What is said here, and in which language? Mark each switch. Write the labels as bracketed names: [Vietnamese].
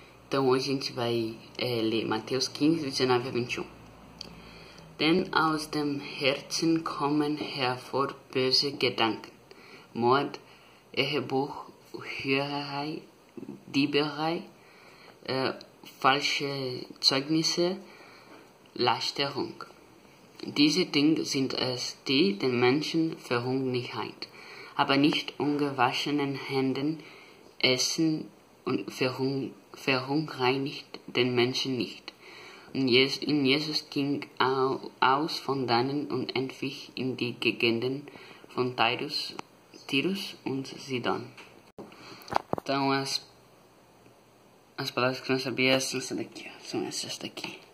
[Portuguese] Então hoje a gente vai ler Mateus 15, 19 a 21. [German] Denn aus dem Herzen kommen hervor böse Gedanken, Mord, Ehebruch, Hurerei, Dieberei, falsche Zeugnisse, Lasterung. Diese Dinge sind es, die den Menschen Verhungnigkeit, aber nicht ungewaschenen Händen essen und verunreinigt den Menschen nicht. Und Jesus ging aus von dannen und entwich in die Gegenden von Tyrus und Sidon. [Portuguese] Então, as palavras que eu não sabia são essas daqui.